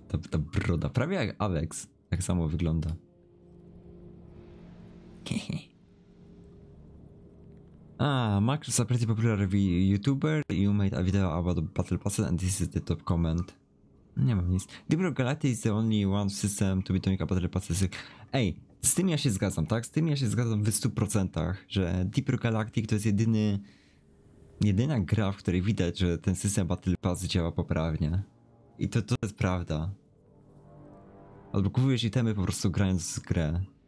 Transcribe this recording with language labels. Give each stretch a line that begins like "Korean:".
Polish: Ta broda, prawie jak Avex, tak samo wygląda.
English: A, Max is a pretty popular YouTuber. You made a video about Battle Passes and this is the top comment.
Polish: Nie mam nic.
English: Deep Rock Galactic is the only one system to be doing a Battle Passes.
Polish: Ej, z tym ja się zgadzam, tak? Z tym ja się zgadzam w 100%, że Deep Rock Galactic to jest jedyna gra, w której widać, że ten system Battle Pass działa poprawnie. I to jest prawda. Albo kupujesz itemy po prostu grając w grę.